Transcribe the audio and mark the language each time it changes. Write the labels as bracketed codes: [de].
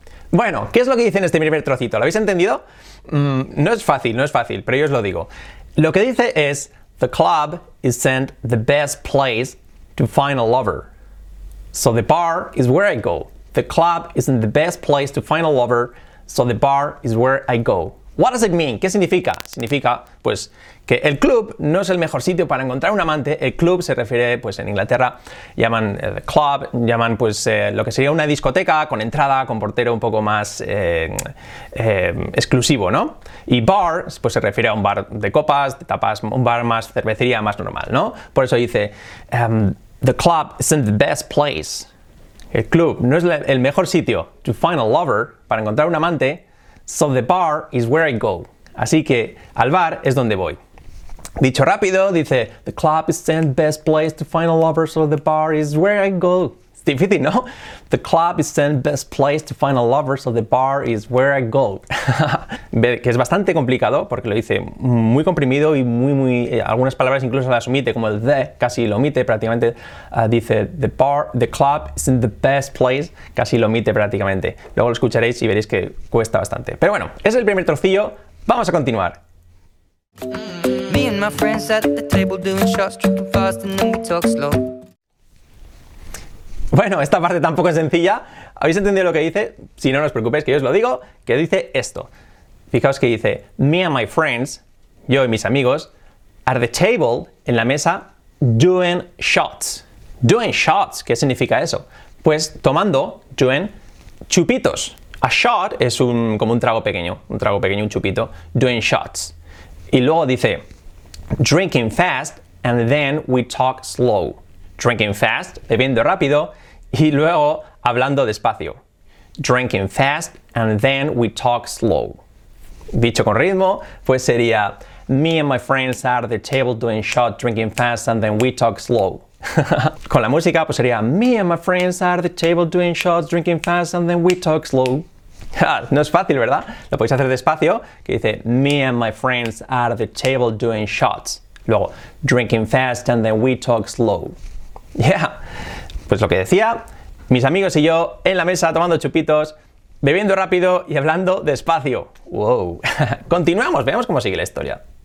[es] Bueno, ¿qué es lo que dice en este primer trocito? ¿Lo habéis entendido? No es fácil, pero yo os lo digo. Lo que dice es: [en] The club isn't the best place to find a lover. So the bar is where I go. The club isn't the best place to find a lover. So the bar is where I go. What does it mean? [es] ¿Qué significa? Significa, pues, que el club no es el mejor sitio para encontrar un amante. El club se refiere, pues, en Inglaterra, llaman the club, llaman, pues, lo que sería una discoteca con entrada, con portero un poco más exclusivo, ¿no? Y bar, pues, se refiere a un bar de copas, de tapas, un bar más cervecería, más normal, ¿no? Por eso dice, [en] the club isn't the best place. [es] El club no es el mejor sitio [en] to find a lover, [es] para encontrar un amante. [en] So the bar is where I go. [es] Así que al bar es donde voy. Dicho rápido, dice: [en] The club is the best place to find a lover, so the bar is where I go. [es] Es difícil, ¿no? [en] The club is the best place to find a lover, so the bar is where I go. [es] Que es bastante complicado porque lo dice muy comprimido y muy. Algunas palabras incluso las omite, como el the, casi lo omite prácticamente. Dice: [en] The bar, the club is the best place, [es] casi lo omite prácticamente. Luego lo escucharéis y veréis que cuesta bastante. Pero bueno, ese es el primer trocillo. Vamos a continuar. [en] Me and my friends at the table doing shots, drinking fast and then we talk slow. [es] Bueno, esta parte tampoco es sencilla. ¿Habéis entendido lo que dice? Si no, no os preocupéis, que yo os lo digo, que dice esto. Fijaos que dice, [en] me and my friends, [es] yo y mis amigos, [en] at the table, [es] en la mesa, [en] doing shots. Doing shots, [es] ¿qué significa eso? Pues tomando, doing, chupitos. A shot es como un trago pequeño, un chupito. [en] Doing shots. [es] Y luego dice, [en] drinking fast, and then we talk slow. Drinking fast, [es] bebiendo rápido, y luego hablando despacio. [en] Drinking fast, and then we talk slow. [es] Dicho con ritmo, pues sería, [en] me and my friends are at the table doing shots, drinking fast, and then we talk slow. [es] Con la música, pues sería, [en] me and my friends are at the table doing shots, drinking fast, and then we talk slow. [es] No es fácil, ¿verdad? Lo podéis hacer despacio, que dice, [en] me and my friends are at the table doing shots. Luego, drinking fast, and then we talk slow. [es] Yeah, pues lo que decía, mis amigos y yo en la mesa tomando chupitos, bebiendo rápido y hablando despacio. Wow. Continuamos, veamos cómo sigue la historia.